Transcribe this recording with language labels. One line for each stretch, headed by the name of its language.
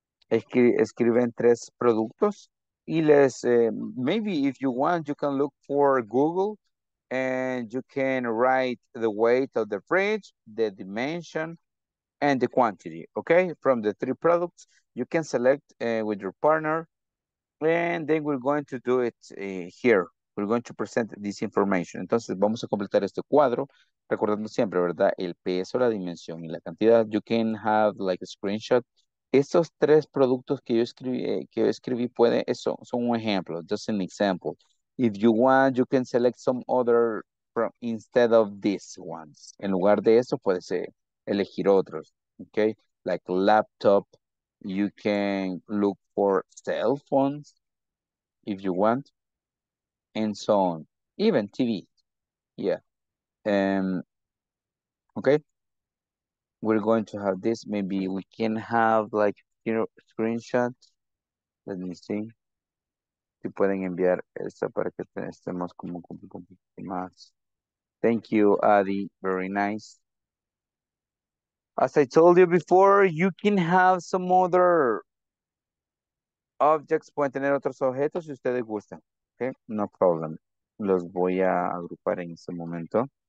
Spanish: Escriben tres productos y les,
English: maybe if you want, you can look for Google and you can write the weight of the fridge, the dimension, and the quantity, okay? From the three products, you can select with your partner, and then we're going to do it here. We're going to present this information.
Spanish: Entonces, vamos a completar este cuadro, recordando siempre, ¿verdad? El peso, la dimensión y la cantidad.
English: You can have like a screenshot.
Spanish: Estos tres productos que yo escribí, son un ejemplo,
English: just an example. If you want, you can select some other from instead of these ones.
Spanish: En lugar de eso, puedes elegir otros, okay?
English: Like laptop, you can look for cell phones, if you want, and so on. Even TV, yeah. Okay? We're going to have this. Maybe we can have like, you know, screenshot. Let me see.
Spanish: Si pueden enviar esto para que estemos como un poquito más.
English: Thank you, Adi. Very nice. As I told you before, you can have some other objects.
Spanish: Pueden tener otros objetos si ustedes gustan. Okay, no problem. Los voy a agrupar en este momento.